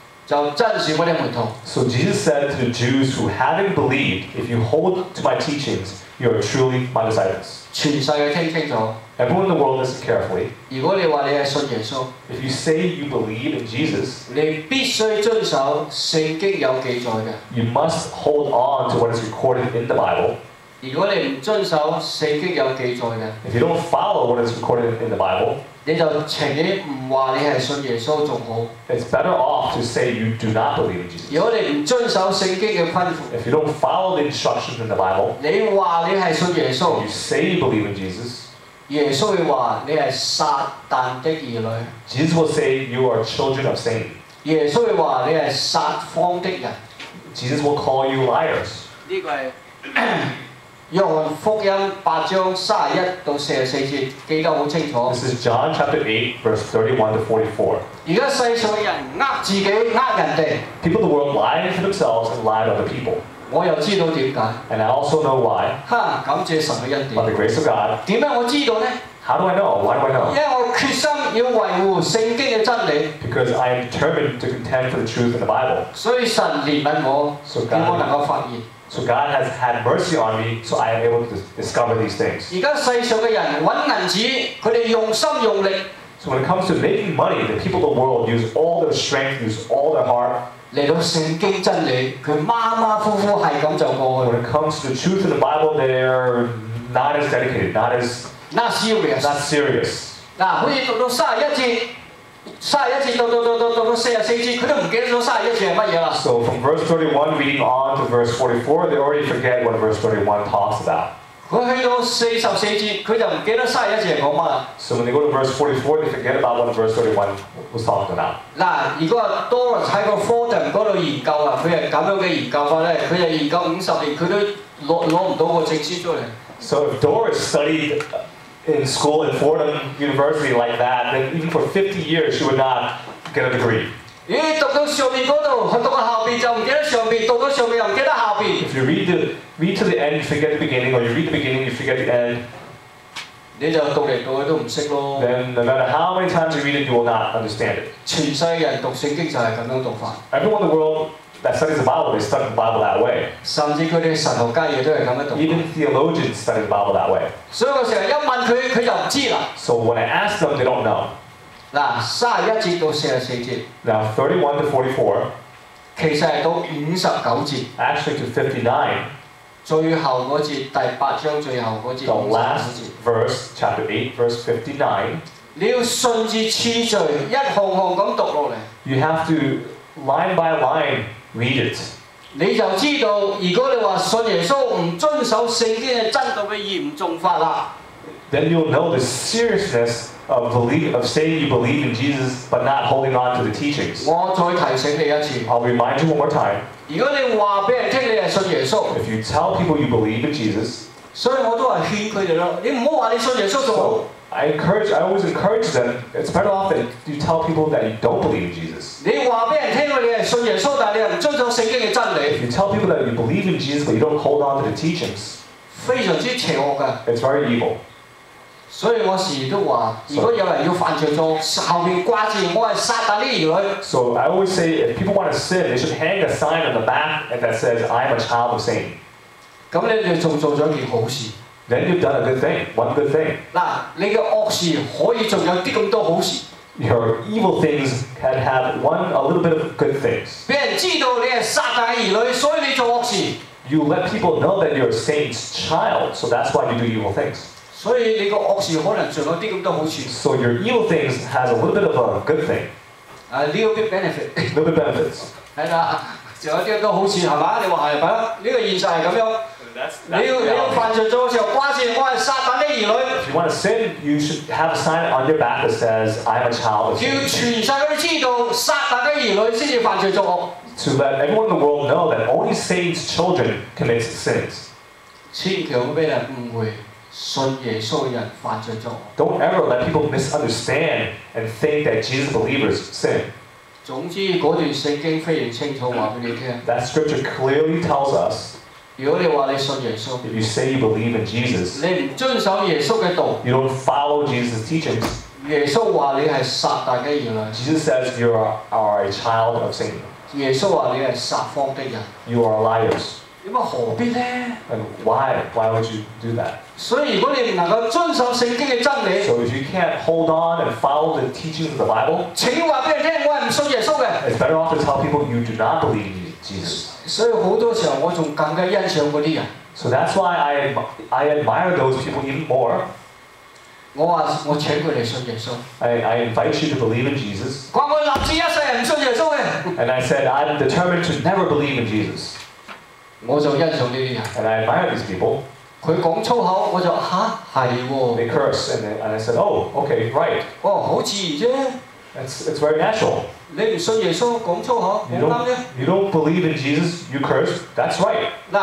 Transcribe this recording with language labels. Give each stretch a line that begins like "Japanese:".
English: So Jesus said to the Jews who hadn't believed, if you hold to my teachings, you are truly my disciples.
Cantonese: 全世界听清楚。
English: Everyone in the world listen carefully.
Cantonese: 如果你话你系信耶稣。
English: If you say you believe in Jesus.
Cantonese: 你必须遵守圣经有记载嘅。
English: You must hold on to what is recorded in the Bible.
Cantonese: 如果你唔遵守圣经有记载嘅。
English: If you don't follow what is recorded in the Bible.
Cantonese: 你就情願唔話你係信耶穌仲好。
English: It's better off to say you do not believe in Jesus.
Cantonese: 如果你唔遵守聖經嘅吩咐。
English: If you don't follow the instructions in the Bible.
Cantonese: 你話你係信耶穌。
English: You say you believe in Jesus.
Cantonese: 耶穌會話你係撒旦的兒女。
English: Jesus will say you are children of Satan.
Cantonese: 耶稣会话你系撒谎的人。
English: Jesus will call you liars。
Cantonese: 呢个系约翰福音八章三十一到四十四节，记得好清楚。
English: This is John chapter 8 verse 31 to 44。
Cantonese: 而家世上人呃自己，呃人哋。
English: People of the world lie to themselves and lie to other people。
Cantonese: 我又知道點解。
English: And I also know why。
Cantonese: 哈，感謝神嘅恩典。
English: By the grace of God。
Cantonese: 點解我知道呢？
English: How do I know? Why do I know?
Cantonese: 因為我決心要維護聖經嘅真理。
English: Because I am determined to contend for the truth in the Bible.
Cantonese: 所以神憐憫我，叫我能夠發現。
English: So God has had mercy on me, so I am able to discover these things.
Cantonese: 而家世上嘅人揾銀紙，佢哋用心用力。
English: So when it comes to making money, the people of the world use all their strength, use all their heart.
Cantonese: 来到圣经真理，佢马马虎虎系咁就过。
English: When it comes to the truth of the Bible, they're not as dedicated, not serious.
Cantonese: 嗱，好似读到三十一节，读到四十四节，佢都唔记得咗三十一节系乜嘢啦。
English: So from verse 31 reading on to verse 44, they already forget what verse 31 talks about.
Cantonese: 佢去到四十四節，佢就唔記得三十一節講乜。
English: So when they go to verse 44, they forget about what verse 31 was talking about.
Cantonese: 嗱，如果多人喺個課堂嗰度研究啦，佢係咁樣嘅研究法咧，佢就研究五十年，佢都攞唔到個證書出嚟。
English: So if Doris studied in school in Fordham University like that, then even for 50 years she would not get a degree.
Cantonese: 咦，讀到上面嗰度，讀到後邊就唔記得上邊，讀到上面又唔記得下邊。
English: If you read to the end, you forget the beginning, or you read the beginning, you forget the end.
Cantonese: 你就讀嚟讀去都唔識咯。
English: Then no matter how many times you read it, you will not understand it.
Cantonese: 全世界人讀聖經就係咁樣讀法。
English: Everyone in the world that studies the Bible, they study the Bible that way.
Cantonese: 甚至佢哋神學家亦都係咁樣讀。
English: Even theologians study the Bible that way.
Cantonese: 所以我成日一問佢，佢就唔知啦。
English: So when I ask them, they don't know.
Cantonese: 嗱，三十一節到四十四節。
English: Now 31 to 44。
Cantonese: 其實係到五十九節。
English: Actually to 59。
Cantonese: 最後嗰節，第八章最後嗰節。
English: The last verse, chapter 8, verse 59。
Cantonese: 你要順住次序，一行行咁讀落嚟。
English: You have to line by line read it。
Cantonese: 你就知道，如果你話信耶穌唔遵守聖經嘅真道嘅嚴重法啦。
English: Then you'll know the seriousness of believe, of saying you believe in Jesus but not holding on to the teachings.
Cantonese: 我再提醒你一次。
English: I'll remind you one more time.
Cantonese: 如果你話俾人聽你係信耶穌。
English: If you tell people you believe in Jesus.
Cantonese: 所以我都話勸佢哋咯，你唔好話你信耶穌仲好。
English: I always encourage them. It's better off that you tell people that you don't believe in Jesus.
Cantonese: 你話俾人聽你係信耶穌，但你又唔遵守聖經嘅真理。
English: If you tell people that you believe in Jesus but you don't hold on to the teachings.
Cantonese: 非常之邪惡嘅。
English: It's very evil.
Cantonese: 所以我時都話，如果有人要犯罪錯，後面掛住我係撒旦啲兒女。
English: So I always say, if people want to sin, they should hang a sign on the back that says, "I'm a child of Satan."
Cantonese: 咁你就做咗件好事。
English: Then you've done a good thing. One good thing.
Cantonese: 嗱，你嘅惡事可以仲有啲咁多好事。
English: Your evil things can have a little bit of good things.
Cantonese: 俾人知道你係撒旦兒女，所以你做惡事。
English: You let people know that you're a Satan's child, so that's why you do evil things.
Cantonese: 所以你個惡事可能仲有啲咁多好處。
English: So your evil things has a little bit of a good thing. A little bit benefit. Little bit benefits.
Cantonese: 係啦，仲有啲咁多好處係嘛？你話係咪啊？呢個現實係咁樣。你要犯罪咗嘅時候，掛住我係撒旦的兒女。
English: If you want to sin, you should have a sign on your back that says, "I am a child of Satan."
Cantonese: 要全世界都知道撒旦的兒女先至犯罪作惡。
English: To let everyone in the world know that only Satan's children commit sins.
Cantonese: 千祈唔好俾人誤會。信耶穌嘅人犯罪咗。
English: Don't ever let people misunderstand and think that Jesus believers sin.
Cantonese: 總之嗰段聖經非常清楚話俾你聽。
English: That scripture clearly tells us.
Cantonese: 如果你話你信耶穌。
English: If you say you believe in Jesus.
Cantonese: 你唔遵守耶穌嘅道。
English: You don't follow Jesus' teachings.
Cantonese: 耶穌話你係撒旦嘅兒女。
English: Jesus says you are a child of Satan.
Cantonese: 耶穌話你係撒謊的人。
English: You are liars.
Cantonese: 咁啊何必咧
English: ？And why? Why would you do that?
Cantonese: 所以如果你唔能夠遵守聖經嘅真理
English: ，So if you can't hold on and follow the teachings of the Bible，
Cantonese: 請話俾人聽，我係唔信耶穌嘅。
English: It's better off to tell people you do not believe in Jesus。
Cantonese: 所以好多時候我仲更加欣賞嗰啲人。
English: So that's why I admire those people even more。
Cantonese: 我請佢哋信耶穌。
English: I invite you to believe in Jesus。
Cantonese: 話我立志一世係唔信耶穌嘅。
English: And I said I'm determined to never believe in Jesus。
Cantonese: 我就欣賞呢啲人。
English: And I admire these people.
Cantonese: 佢講粗口，我就嚇係喎。
English: They curse and I said, oh, okay, right.
Cantonese: 哦，好自然啫。
English: It's very natural. You don't believe in Jesus, you curse. That's right.